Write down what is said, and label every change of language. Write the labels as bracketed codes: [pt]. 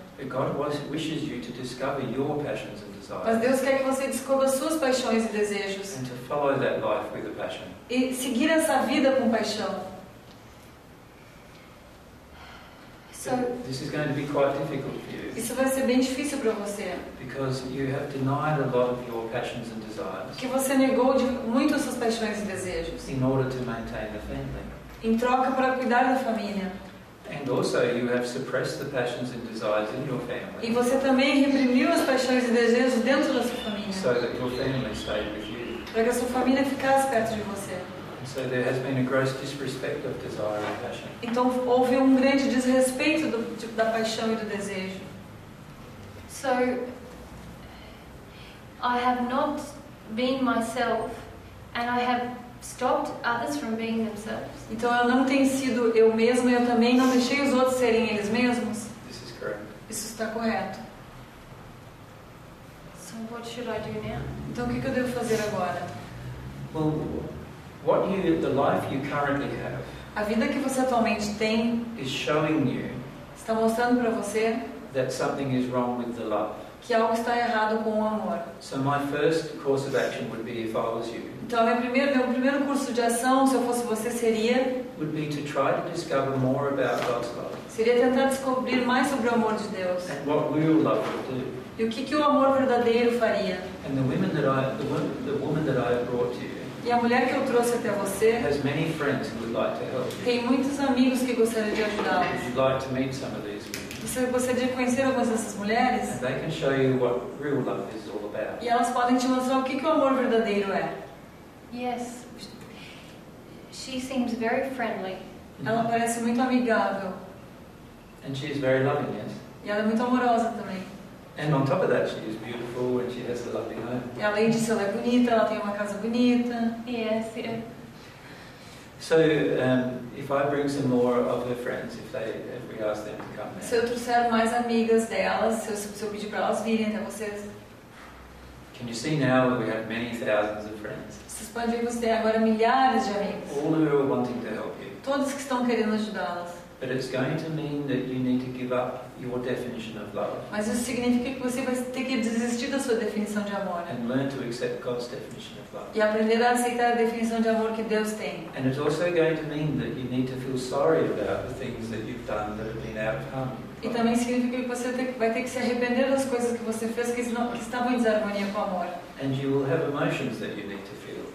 [en] But God wishes you to discover your passions and desires, [pt] mas Deus quer que você descubra suas paixões e desejos, [en] and to follow that life with a passion, [pt] e seguir essa vida com paixão. So, [en] this is going to be quite difficult for you. [pt] Isso vai ser bem difícil para você. [en] Because you have denied a lot of your passions and desires. [pt] Que você negou de muito suas paixões e desejos. [en] In order to maintain the family. [pt] Em troca para cuidar da família. [en] And also you have suppressed the passions and desires in your family. [pt] E você também reprimiu as paixões e desejos dentro da sua família. [en] So that your family stayed with you. [pt] Para que a sua família ficasse perto de você. [en] So there has been a gross disrespect of desire and passion. [pt] Então houve grande desrespeito da paixão e do desejo. [en] So I have not been myself, and I have stopped others from being themselves. [pt] Então eu não tenho sido eu mesmo, eu também não deixei os outros serem eles mesmos. [en] This is correct. [pt] Isso está correto. [en] So what should I do now? [pt] Então o que eu devo fazer agora? [en] What the life you currently have, [pt] a vida que você atualmente tem, [en] is showing you, [pt] está mostrando para você, [en] that something is wrong with the love, [pt] que algo está errado com o amor. [en] So my first course of action would be, if I was you, [pt] então meu primeiro curso de ação, se eu fosse você, seria, [en] would be to try to discover more about God's love, [pt] seria tentar descobrir mais sobre o amor de Deus, [en] and what real love would do, [pt] e o que o amor verdadeiro faria. [en] And the woman that I have brought to you, [pt] e a mulher que eu trouxe até você, [en] has many friends who would like to help you, [pt] tem muitos amigos que gostariam de ajudá-los. [en] You'd like to meet some of these women. [pt] Você gostaria de conhecer algumas dessas mulheres? [en] And they can show you what real love is all about. [pt] E elas podem te mostrar o que o amor verdadeiro é. [en] Yes, she seems very friendly. [pt] Ela parece muito amigável. [en] And she is very loving, yes. [pt] E ela é muito amorosa também. [en] And on top of that, she is beautiful and she has a lovely home. [pt] E além disso, ela é bonita, ela tem uma casa bonita. [en] Yes, yeah. So, if I bring some more of her friends, if we ask them to come. [pt] Se eu trouxer mais amigas delas, se eu pedir para elas virem até vocês. [en] Can you see now that we have many thousands of friends? [pt] Vocês podem ver que você tem agora milhares de amigos. [en] All who are wanting to help you. [pt] Todos que estão querendo ajudá-las. [en] But it's going to mean that you need to give up your definition of love. [pt] Mas isso significa que você vai ter que desistir da sua definição de amor. [en] And learn to accept God's definition of love. [pt] E aprender a aceitar a definição de amor que Deus tem. [en] And it's also going to mean that you need to feel sorry about the things that you've done that have been out of harmony. [pt] E também significa que você vai ter que se arrepender das coisas que você fez que estavam em desarmonia com o amor. [en] And you will have emotions that you need to feel.